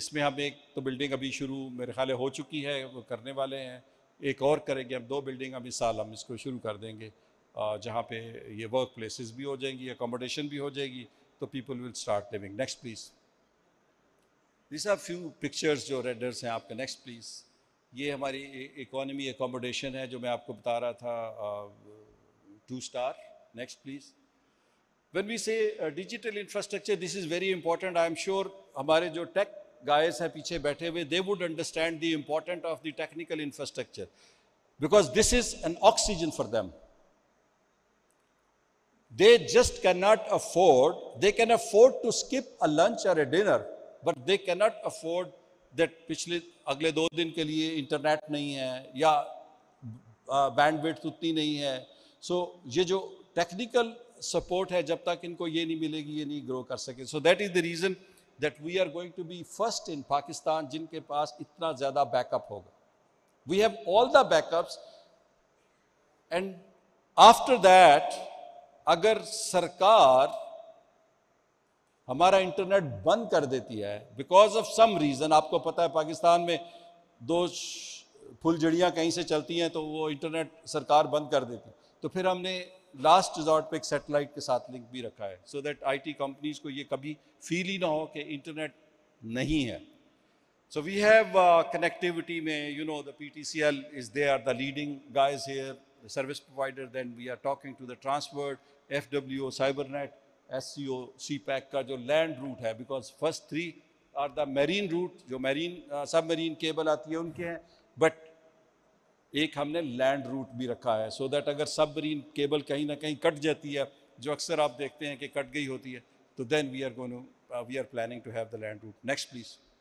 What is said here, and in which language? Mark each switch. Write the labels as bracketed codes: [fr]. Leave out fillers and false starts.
[ur] اس میں ہم ایک تو بلڈنگ ابھی شروع میرے خیال ہو چکی ہے, وہ کرنے والے ہیں, ایک اور کریں گے ہم, دو بلڈنگ ابھی سال ہم اس کو شروع کر دیں گے جہاں پہ یہ ورک پلیسز بھی ہو جائیں گی, اکوموڈیشن بھی ہو جائے گی, تو [en] People will start living. Next please. These are few pictures [ur] جو ریڈرس ہیں آپ کے. [en] Next please. [ur] یہ ہماری اکانومی اکوموڈیشن ہے جو میں آپ کو بتا رہا تھا, 2-star. [en] Next please. When we say digital infrastructure, this is very important. I am sure [ur] ہمارے جو ٹیک گائز ہیں پیچھے بیٹھے ہوئے, [en] they would understand the importance of the technical infrastructure, because this is an oxygen for them. They just cannot afford, they can afford to skip a lunch or a dinner, but they cannot afford that [ur] پچھلے اگلے دو دن کے لیے internet نہیں ہے یا band ویڈتھ اتنی نہیں ہے. سو یہ جو ٹیکنیکل سپورٹ ہے جب تک ان کو یہ نہیں ملے گی یہ نہیں گرو کر سکے. [en] so that is the reason that we are going to be first in Pakistan [ur] جن کے پاس اتنا زیادہ بیک اپ ہوگا. [en] we have all the backups, and after that [ur] اگر سرکار ہمارا انٹرنیٹ بند کر دیتی ہے [en] because of some reason, [ur] آپ کو پتا ہے پاکستان میں دو پھل جڑیاں کہیں سے چلتی ہیں تو وہ انٹرنیٹ سرکار بند کر دیتی, تو پھر ہم نے لاسٹ ریزورٹ پہ ایک سیٹلائٹ کے ساتھ لنک بھی رکھا ہے, so that I T companies کو یہ کبھی فیل ہی نہ ہو کہ انٹرنیٹ نہیں ہے. [en] So we have connectivity میں, you know the P T C L is they are the leading guys here, service provider. Then we are talking to the [ur] ٹرانسورڈ, F W O, cyber net, S C O, C pack کا جو land route ہے, [en] because first 3 are the marine route [ur] جو marine سب marine cable آتی ہے ان کے ہیں, but ایک ہم نے لینڈ روٹ بھی رکھا ہے, سو دیٹ اگر سب مرین کیبل کہیں نہ کہیں کٹ جاتی ہے جو اکثر آپ دیکھتے ہیں کہ کٹ گئی ہوتی ہے, تو [en] Then we are planning to have the land route. Next please.